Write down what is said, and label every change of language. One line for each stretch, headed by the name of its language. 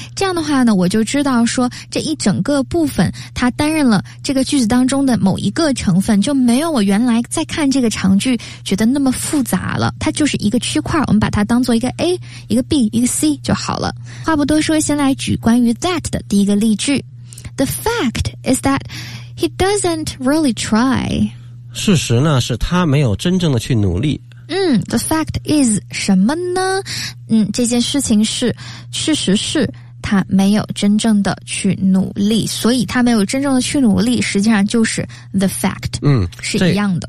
Chinese: 这样的话呢我就知道说这一整个部分它担任了这个句子当中的某一个成分，就没有我原来在看这个长句觉得那么复杂了，它就是一个区块，我们把它当做一个 A 一个 B 一个 C 就好了。话不多说，先来举关于 that 的第一个例句。
English: The fact is that he doesn't really try.
Chinese: 事实呢是他没有真正的去努力。嗯，
English: the fact is
Chinese: 什么呢？嗯，这件事情是事实是他没有真正的去努力，所以他没有真正的去努力实际上就是 the fact。是一样的。